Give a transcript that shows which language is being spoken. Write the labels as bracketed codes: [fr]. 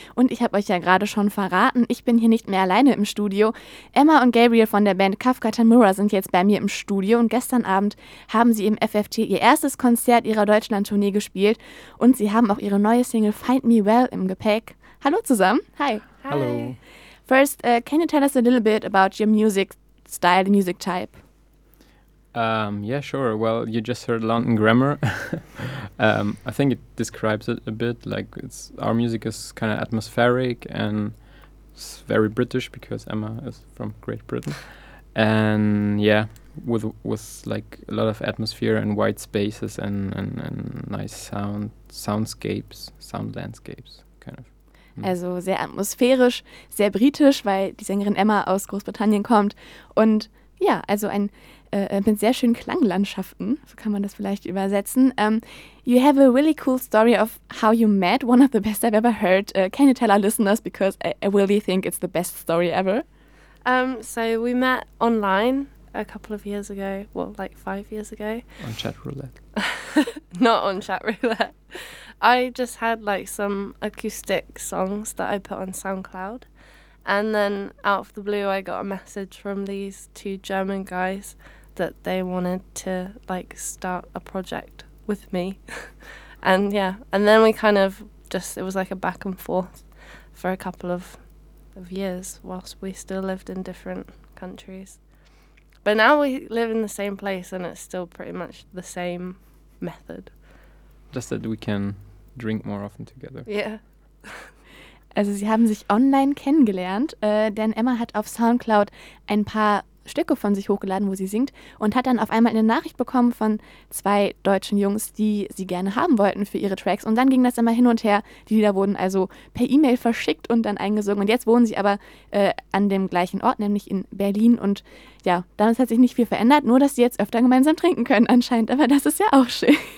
[de] Und ich habe euch ja gerade schon verraten, ich bin hier nicht mehr alleine im Studio. Emma und Gabriel von der Band Kafka Tamura sind jetzt bei mir im Studio und gestern Abend haben sie im FFT ihr erstes Konzert ihrer Deutschland-Tournee gespielt und sie haben auch ihre neue Single Find Me Well im Gepäck. Hallo zusammen. Hi. Hallo. [en] First, can you tell us a little bit about your music style, the music type? Yeah, sure. Well, you just heard London Grammar. I think it describes it a bit. Like, it's our music is kind of atmospheric and it's very British because Emma is from Great Britain. And yeah, with like a lot of atmosphere and white spaces and nice sound landscapes, kind of. [de] Also sehr atmosphärisch, sehr britisch, weil die Sängerin Emma aus Großbritannien kommt. Und ja, also ein mit sehr schönen Klanglandschaften, so kann man das vielleicht übersetzen. [en] You have a really cool story of how you met, one of the best I've ever heard. Can you tell our listeners, because I really think it's the best story ever? So we met online a couple of years ago, well, like 5 years ago. On chat roulette. Not on chat roulette. I just had like some acoustic songs that I put on SoundCloud. And then out of the blue, I got a message from these two German guys that they wanted to like start a project with me. And yeah, and then we kind of just, it was like a back and forth for a couple of years whilst we still lived in different countries. But now we live in the same place and it's still pretty much the same method. Just that we can drink more often together. Yeah. [de] Also sie haben sich online kennengelernt, denn Emma hat auf SoundCloud ein paar Stücke von sich hochgeladen, wo sie singt und hat dann auf einmal eine Nachricht bekommen von zwei deutschen Jungs, die sie gerne haben wollten für ihre Tracks und dann ging das immer hin und her. Die Lieder wurden also per E-Mail verschickt und dann eingesungen und jetzt wohnen sie aber an dem gleichen Ort, nämlich in Berlin und ja, damals hat sich nicht viel verändert, nur dass sie jetzt öfter gemeinsam trinken können anscheinend, aber das ist ja auch schön.